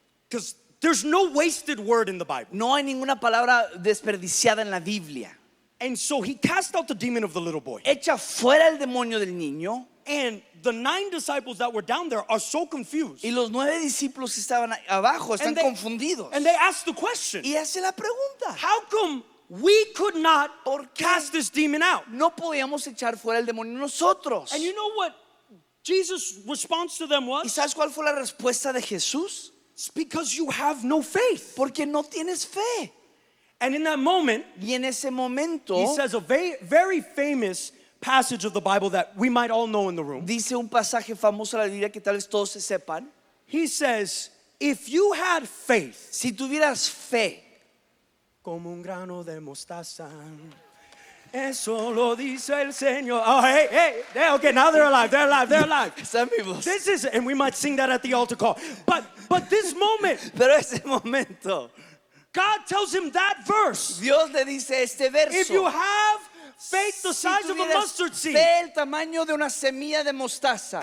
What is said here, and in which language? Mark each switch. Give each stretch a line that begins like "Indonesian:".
English: Because there's no wasted word in the Bible.
Spanish: No hay ninguna palabra desperdiciada en la Biblia.
English: And so he cast out the demon of the little boy.
Spanish: Echa fuera el demonio del niño.
English: And the nine disciples that were down there are so confused.
Spanish: Y los nueve discípulos que estaban abajo están confundidos.
English: And they ask the question.
Spanish: Y hace la pregunta.
English: How come we could not cast this demon out?
Spanish: No podíamos echar fuera el demonio nosotros.
English: And you know what Jesus' response to them was?
Spanish: ¿Y sabes cuál fue la respuesta de Jesús?
English: It's because you have no faith.
Spanish: Porque no tienes fe.
English: And in that moment,
Spanish: y en ese momento,
English: he says a very famous passage of the Bible that we might all know in the room.
Spanish: Dice un pasaje famoso de la Biblia que tal vez todos se sepan.
English: He says, if you had faith,
Spanish: si tuvieras fe, como un grano de mostaza, eso lo dice el Señor.
English: Oh, hey, okay, now they're alive.
Spanish: Están vivos.
English: This is, and we might sing that at the altar call. But this moment,
Spanish: pero ese momento,
English: God tells him that verse.
Spanish: Dios le dice este verso.
English: If you have faith the size of a mustard seed,
Spanish: fe el tamaño de una semilla de mostaza,